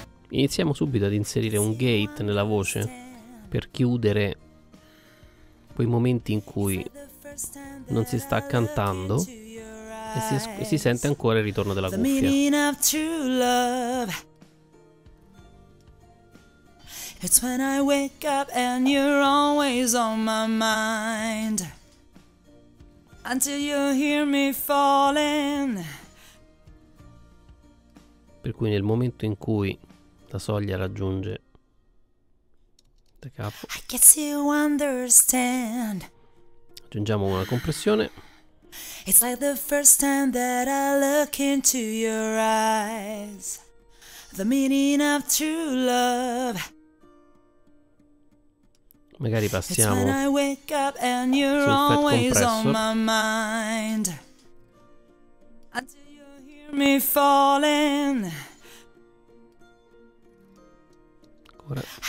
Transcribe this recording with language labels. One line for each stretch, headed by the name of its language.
Italian: Iniziamo subito ad inserire un gate nella voce per chiudere quei momenti in cui non si sta cantando e si sente ancora il ritorno della cuffia.
English: It's when I wake up and you're always on my mind. Until you hear me falling.
Italian: Per cui nel momento in cui la soglia raggiunge da capo,
English: I guess you understand.
Italian: Aggiungiamo una compressione.
English: It's like the first time that I look into your eyes. The meaning of true love.
Italian: Magari passiamo sul Fat Compressor. Ancora.